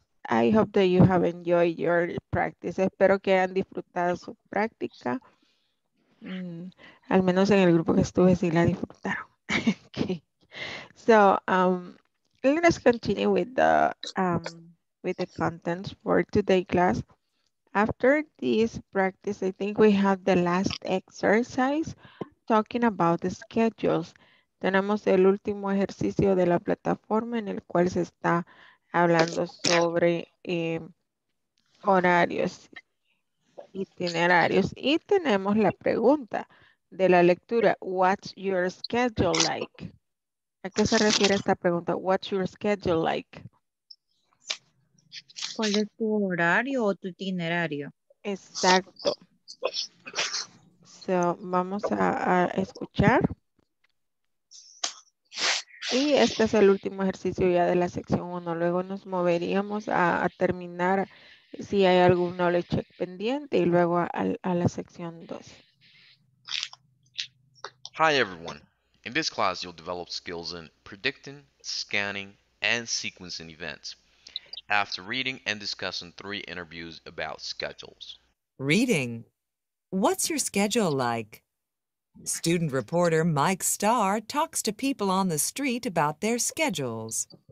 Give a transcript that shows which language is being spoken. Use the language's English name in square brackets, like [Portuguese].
[English] I hope that you have enjoyed your practice. [Spanish] Espero que hayan disfrutado su práctica. Al menos en el grupo que estuve sí la disfrutaron. [English] Okay. So let us continue with the contents for today class. After this practice, I think we have the last exercise talking about the schedules. [Spanish] Tenemos el último ejercicio de la plataforma en el cual se está hablando sobre horarios, itinerarios. Y tenemos la pregunta de la lectura. [English] What's your schedule like? [Spanish] ¿A qué se refiere esta pregunta? [English] What's your schedule like? [Spanish] ¿Cuál es tu horario o tu itinerario? Exacto. [English] So, [Spanish] vamos a escuchar. Y este es el último ejercicio ya de la sección 1. Luego nos moveríamos a terminar si hay algún knowledge check pendiente y luego a la sección 2. [English] Hi everyone. In this class you'll develop skills in predicting, scanning, and sequencing events. After reading and discussing 3 interviews about schedules. Reading. What's your schedule like? Student reporter Mike Starr talks to people on the street about their schedules.